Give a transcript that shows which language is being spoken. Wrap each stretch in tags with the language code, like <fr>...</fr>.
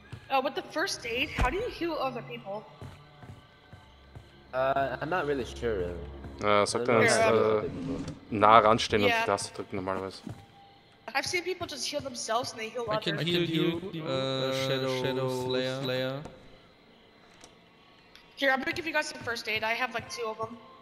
<en>Oh, with the first aid, how do you heal other people? I'm not really sure.</en> <de>Sollte man nah ranstehen und die Taste drücken normalerweise.</de> <en>I've seen people just heal themselves and they heal others. I can heal you, Shadow Slayer. Here, I'm gonna give you guys some first aid. I have like two of them.</en>